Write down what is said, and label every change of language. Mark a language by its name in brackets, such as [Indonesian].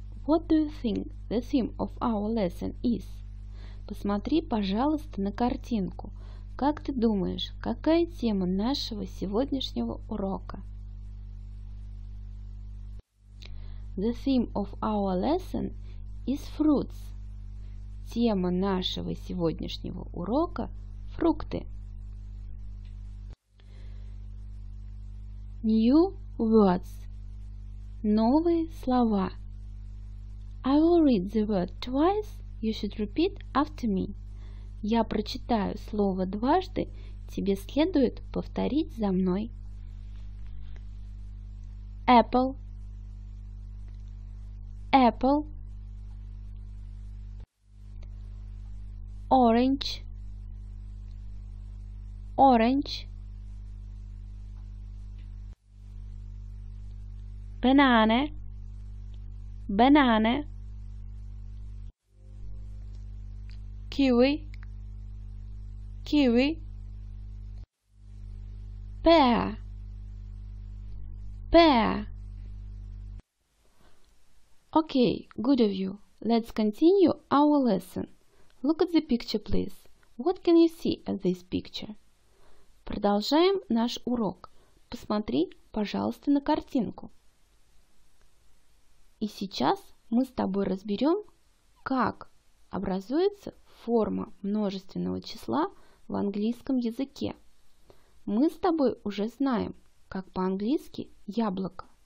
[English] What do you think the theme of our lesson is? [Russian] Посмотри, пожалуйста, на картинку. Как ты думаешь, какая тема нашего сегодняшнего урока? [English] The theme of our lesson is fruits. [Russian] Тема нашего сегодняшнего урока – фрукты. [English] New words. [Russian] Новые слова. [English] I will read the word twice. You should repeat after me. [Russian] Я прочитаю слово дважды. Тебе следует повторить за мной. [English] Apple. Apple. Orange. Orange. Banana. Banana. Kiwi. Kiwi. Pear. Pear. Okay, good of you. Let's continue our lesson. Look at the picture, please. What can you see at this picture? [Russian] Продолжаем наш урок. Посмотри, пожалуйста, на картинку. И сейчас мы с тобой разберем, как образуется форма множественного числа в английском языке. Мы с тобой уже знаем, как по-английски яблоко.